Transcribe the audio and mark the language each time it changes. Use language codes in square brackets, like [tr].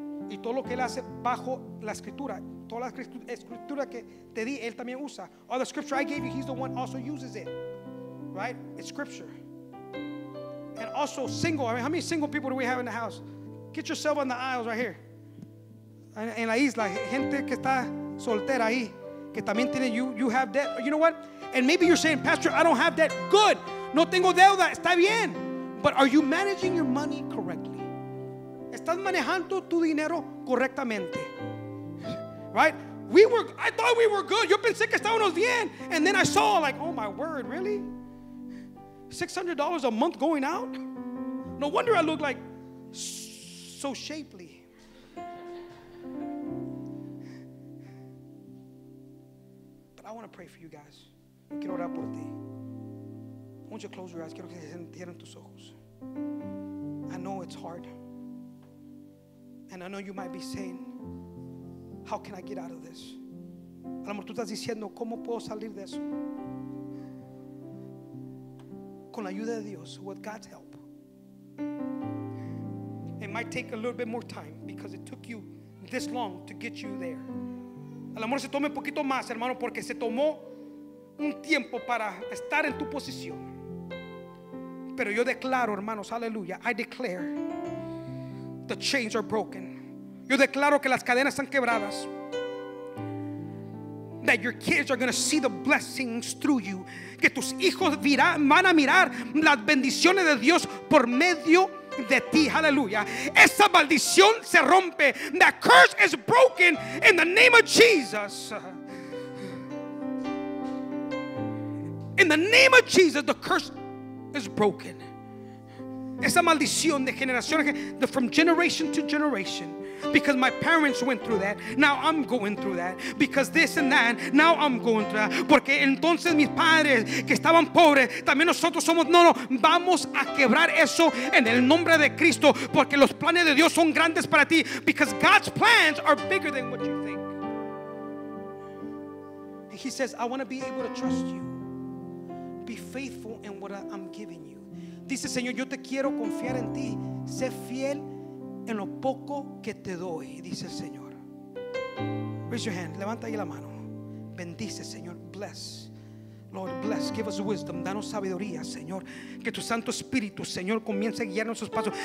[es] Y todo lo que él hace bajo la escritura, toda la escritura que te di, él también usa. [en] All the scripture I gave you, he's the one also uses it. Right? It's scripture. And also single. I mean, how many single people do we have in the house? Get yourself on the aisles right here. [es] En la isla, gente que está soltera ahí, que también tiene, [en] you have debt. You know what? And maybe you're saying, Pastor, I don't have debt. Good. [es] No tengo deuda. Está bien. [en] But are you managing your money correctly? [es] ¿Estás manejando tu dinero correctamente? Right? [en] I thought we were good. [es] Yo pensé que estábamos bien. [en] And then I saw, like, oh my word, really? $600 a month going out? No wonder I look like so shapely. But I want to pray for you guys. [es] Quiero orar por ti. [en] Won't you close your eyes? [es] Quiero que se cierren tus ojos. [en] I know it's hard. And I know you might be saying, how can I get out of this? [es] A lo mejor tú estás diciendo, ¿cómo puedo salir de eso? Con la ayuda de Dios, [en] with God's help. It might take a little bit more time because it took you this long to get you there. [es] A lo mejor se tome un poquito más, hermano, porque se tomó un tiempo para estar en tu posición. Pero yo declaro, hermanos, aleluya, [en] I declare the chains are broken. [es] Yo declaro que las cadenas están quebradas. [en] That your kids are going to see the blessings through you. [es] Que tus hijos van a mirar las bendiciones de Dios por medio de ti. [en] Hallelujah. [es] Esa maldición se rompe. [en] That curse is broken in the name of Jesus. In the name of Jesus, the curse is broken. [es] Esa maldición de generación, [en] from generation to generation. because my parents went through that. Now I'm going through that. Because this and that, now I'm going through that. [es] Porque entonces mis padres que estaban pobres, también nosotros somos. No, no, vamos a quebrar eso en el nombre de Cristo, porque los planes de Dios son grandes para ti. [en] Because God's plans are bigger than what you think. He says, I want to be able to trust you. Be faithful in what I'm giving you. [es] Dice, Señor, yo te quiero confiar en ti. Sé fiel en lo poco que te doy, dice el Señor. [en] Raise your hand. [es] Levanta ahí la mano. Bendice, Señor. [en] Bless. Lord, bless. Give us wisdom. [es] Danos sabiduría, Señor. Que tu Santo Espíritu, Señor, comience a guiar nuestros pasos.